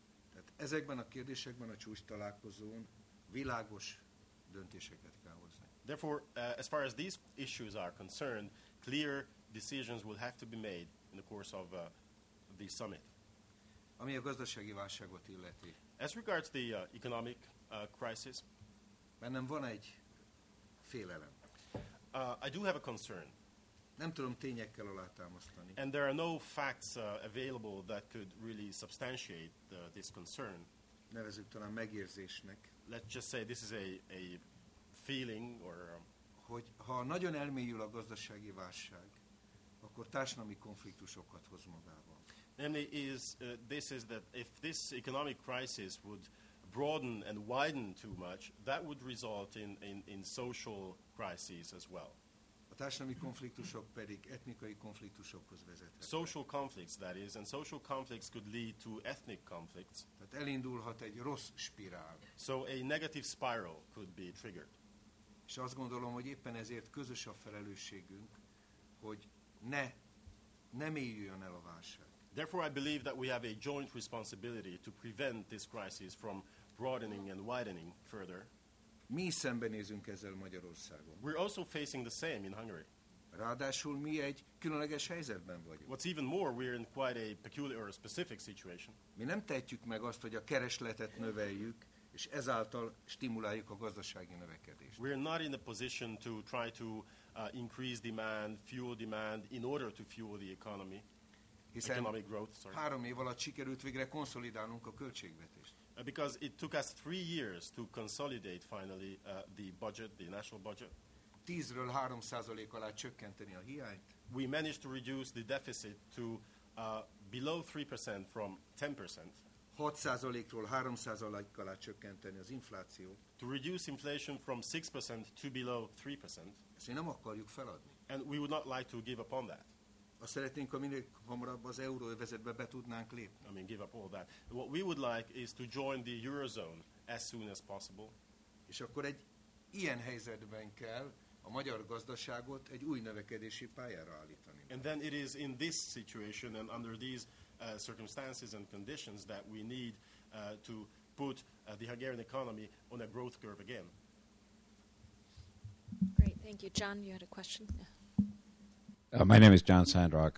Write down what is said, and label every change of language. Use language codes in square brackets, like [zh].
[hu] Tehát ezekben a kérdésekben a csúcs találkozón világos döntéseket kell hozni. [en] Therefore, as far as these issues are concerned, clear decisions will have to be made in the course of the summit. [hu] Ami a gazdasági válságot illeti. [en] As regards the economic crisis, [hu] bennem van egy félelem. [en] I do have a concern. [hu] Nem tudom tényekkel alátámasztani. [en] And there are no facts available that could really substantiate this concern. [hu] Nevezzük talán megérzésnek. [en] Let's just say this is a feeling or [hu] hogy ha nagyon elmélyül a gazdasági válság, akkor társadalmi konfliktusokat hoz magával. [en] Namely, this is that if this economic crisis would broaden and widen too much, that would result in social crises as well. [hu] A társadalmi konfliktusok pedig etnikai konfliktusokhoz vezethetnek. [en] Social conflicts, that is, and social conflicts could lead to ethnic conflicts. [hu] Tehát elindulhat egy rossz spirál. [en] So a negative spiral could be triggered. [hu] És azt gondolom, hogy éppen ezért közös a felelősségünk, hogy nem éljön el a válság. [en] Therefore, I believe that we have a joint responsibility to prevent this crisis from broadening and widening further. [hu] Mi szembenézünk ezzel Magyarországon. [en] We're also facing the same in Hungary. [hu] Ráadásul mi egy különleges helyzetben vagyunk. [en] What's even more, we're in quite a peculiar or a specific situation. [hu] Mi nem tehetjük meg azt, hogy a keresletet növeljük, és ezáltal stimuláljuk a gazdasági növekedést. [en] We're not in a position to try to increase demand, fuel demand, in order to fuel the economy. [hu] Hiszen [en] economic growth, sorry. [hu] 3 év alatt sikerült végre konszolidálnunk a költségvetést. [en] Because it took us 3 years to consolidate finally the budget, the national budget. [hu] 10-ről 3% alá csökkenteni a hiányt. [en] We managed to reduce the deficit to below 3% from 10%. [hu] 6%-ról 3% alá csökkenteni az infláció. [en] To reduce inflation from 6% to below 3%. [hu] Ezt nem akarjuk feladni. [en] And we would not like to give up on that. [hu] Azt szeretnénk, hogy minél hamarabb az euróövezetbe be tudnánk lépni. [en] I mean, give up all that. What we would like is to join the eurozone as soon as possible. És akkor egy ilyen helyzetben kell a magyar gazdaságot egy új növekedési pályára állítani. And then it is in this situation and under these circumstances and conditions that we need to put the Hungarian economy on a growth curve again. Great, thank you. John, you had a question? My name is John Sandrock.